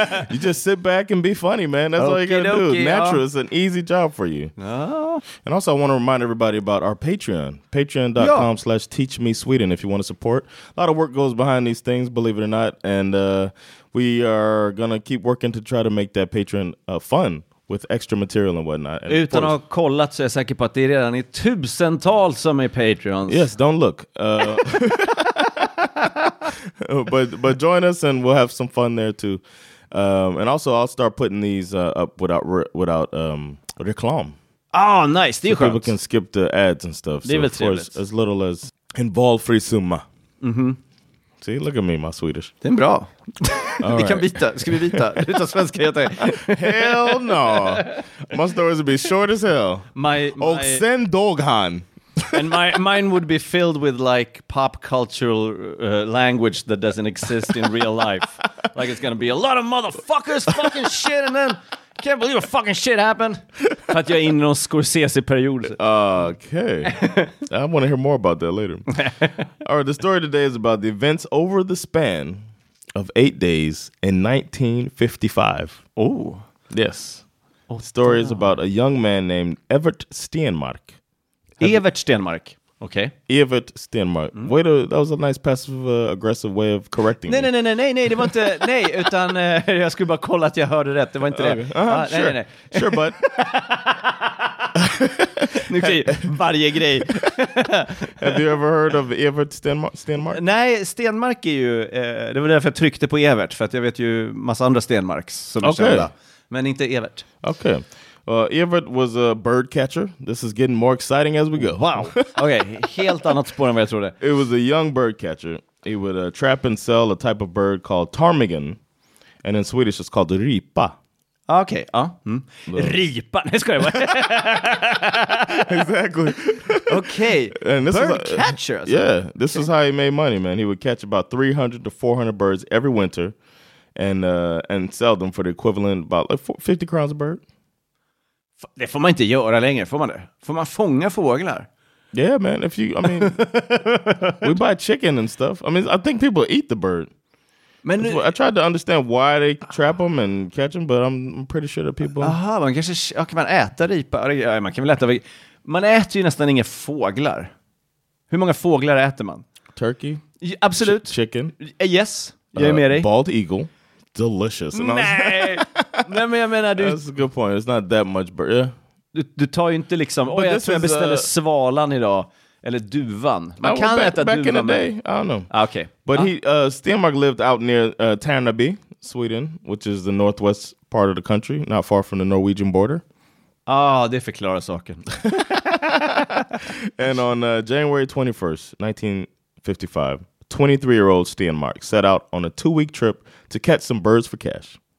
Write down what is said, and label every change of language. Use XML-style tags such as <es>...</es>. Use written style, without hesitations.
<en>You just sit back and be funny, man. That's all you got to do. Natural. It's an easy job for you. And also, I want to remind everybody about our Patreon. Patreon.com/teachmesweden if you want to support. A lot of work goes behind these things, believe it or not. And we are going to keep working to try to make that Patreon fun. With extra material and whatnot. And</en> <sv>utan att ha kollat så är jag säker på att det är redan i tusentals som är Patreons.</sv> <en>Yes, don't look. but join us and we'll have some fun there too. And also I'll start putting these up without reklam. Oh, nice.</en> <sv>Det är</sv> <en>so people can skip the ads and stuff.</en> <sv>Det är</sv> <en>so for as little as</en> <sv>en valfri summa. Mm-hmm.</sv> <en>See, look at me, my Swedish.</en> <sv>Det är bra. Vi kan byta. Ska vi byta? Byta svenska heter jag.</sv> <en>Hell no. My stories would be short as hell.</en> <sv>Och sen doghan.</sv> <en>And mine would be filled with like pop cultural language that doesn't exist in real life. Like it's gonna be a lot of motherfuckers fucking shit and then can't believe a fucking shit happened.</en> <sv>För att jag är inne i någon Scorsese-period.</sv> <en>Okay. I want to hear more about that later. All right, the story today is about the events over the span of 8 days in 1955. Oh. Yes. Oh, the story is about a young man named Evert Stenmark. Evert Stenmark. Okay. Evert Stenmark. Mm. Wait, that was a nice passive aggressive way of correcting me.</en> <sv>Nej, det var inte nej, utan jag skulle bara kolla att jag hörde rätt. Det var inte det. Nej.</sv> <en>Sure, bud.</en> <sv>Nu kan varje grej.</sv> <en>Have you ever heard of Evert Stenmark?</en> <sv>Nej, Stenmark är ju det var därför jag tryckte på Evert, för att jag vet ju massa andra Stenmarks som är kända. Men inte Evert.</sv> <en>Okay. Evert was a bird catcher. This is getting more exciting as we go. Wow. Okay.</en> <sv>Helt annat spår än vad jag trodde.</sv> <en>It was a young bird catcher. He would trap and sell a type of bird called ptarmigan. And in Swedish, it's called ripa.</en> <sv>Okay. Ripa. Nej, skojar jag.</sv> <en>Exactly. Okay. And this bird catcher. Yeah. This is how he made money, man. He would catch about 300 to 400 birds every winter and sell them for the equivalent of about 50 crowns a bird.</en> <sv>Det får man inte göra längre, får man det? Får man fånga fåglar?</sv> <en>Yeah, man. If you, I mean, we buy chicken and stuff. I mean, I think people eat the bird. Men, I tried to understand why they trap them and catch them, but I'm pretty sure that people...</en> <sv>Aha, man kanske... Okay, man äter ripa. Man kan väl äta... Man äter ju nästan inga fåglar. Hur många fåglar äter man?</sv> <en>Turkey.</en> <sv>Ja, absolut.</sv> <en>Chicken.</en> <sv>Yes, jag är med dig.</sv> <en>Bald eagle. Delicious.</en> <sv>Nej! Nej, men jag menar du...</sv> <en>That's a good point. It's not that much bird. Yeah.</en> <sv>Du tar ju inte liksom... Oj, jag tror jag beställer svalan idag. Eller duvan. Man kan äta duvan.</sv> <en>Back in the day, I don't know. Ah, okay. But Stenmark lived out near Tärnaby, Sweden, which is the northwest part of the country, not far from the Norwegian border.</en> <sv>Ah, det förklarar saken.</sv> <en>And on January 21st, 1955, 23-year-old Stenmark set out on a 2-week trip to catch some birds for cash.</en>